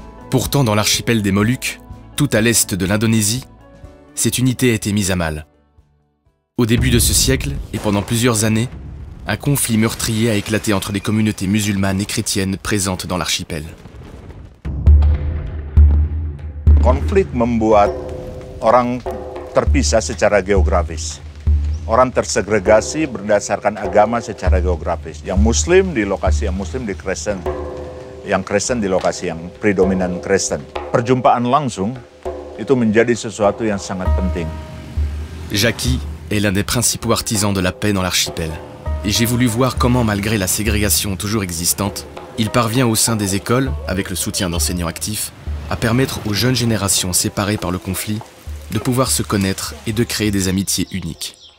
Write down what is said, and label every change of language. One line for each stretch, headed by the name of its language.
French: Pourtant, dans l'archipel des Moluques, tout à l'est de l'Indonésie, cette unité a été mise à mal. Au début de ce siècle, et pendant plusieurs années, un conflit meurtrier a éclaté entre les communautés musulmanes et chrétiennes présentes dans l'archipel.
Indonesian: Konflik membuat orang terpisah secara geografis. Orang tersegregasi berdasarkan agama secara geografis. Yang muslim di lokasi yang muslim di Kristen. Yang Kristen di lokasi yang predominan Kristen. Perjumpaan langsung itu menjadi sesuatu yang sangat penting.
French: Jackie est l'un des principaux artisans de la paix dans l'archipel. Et j'ai voulu voir comment, malgré la ségrégation toujours existante, il parvient au sein des écoles, avec le soutien d'enseignants actifs, à permettre aux jeunes générations séparées par le conflit de pouvoir se connaître et de créer des amitiés uniques.